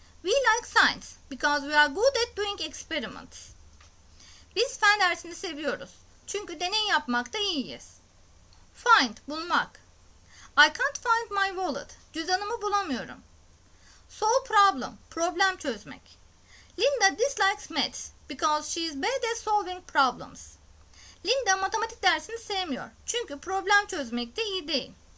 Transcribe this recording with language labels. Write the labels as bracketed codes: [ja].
[en] We like science because we are good at doing experiments. [tr] Biz fen dersini seviyoruz çünkü deney yapmakta iyiyiz. [en] Find, bulmak. I can't find my wallet. [tr] Cüzdanımı bulamıyorum. [en] Solve problem, [tr] problem çözmek. [en] Linda dislikes math because she is bad at solving problems. [tr] Linda matematik dersini sevmiyor çünkü problem çözmekte iyi değil.